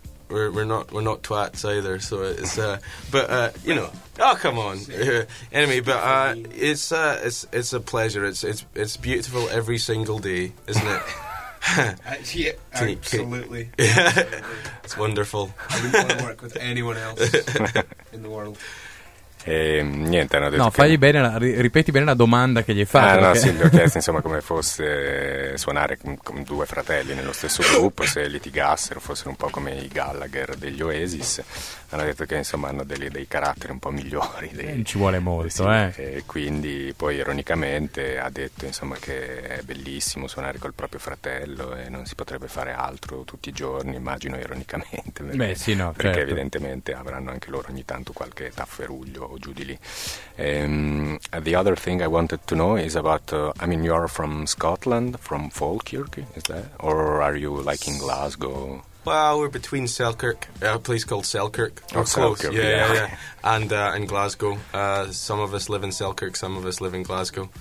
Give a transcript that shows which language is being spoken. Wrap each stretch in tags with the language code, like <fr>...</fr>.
<en>we're not twats either, so it's it's a pleasure. It's beautiful every single day, isn't it? Absolutely. It's wonderful. I wouldn't want to work with anyone else in the world.</en> <it>E niente, hanno detto. No, fagli bene, ripeti bene la domanda che gli hai fatto. Ah, no, sì, gli ho chiesto insomma come fosse suonare con due fratelli nello stesso gruppo, se litigassero, fossero un po' come i Gallagher degli Oasis. Hanno detto che insomma hanno dei caratteri un po' migliori. Ci vuole molto, sì, eh. E quindi poi ironicamente ha detto insomma che è bellissimo suonare col proprio fratello e non si potrebbe fare altro tutti i giorni, immagino ironicamente. Perché, beh, sì, no, perché certo. Evidentemente avranno anche loro ogni tanto qualche tafferuglio.</it> <en>The other thing I wanted to know is about, I mean, you are from Scotland, from Falkirk, is that? Or are you like in Glasgow? Well, we're between Selkirk, a place called Selkirk. Yeah. And Glasgow. Some of us live in Selkirk, some of us live in Glasgow.</en>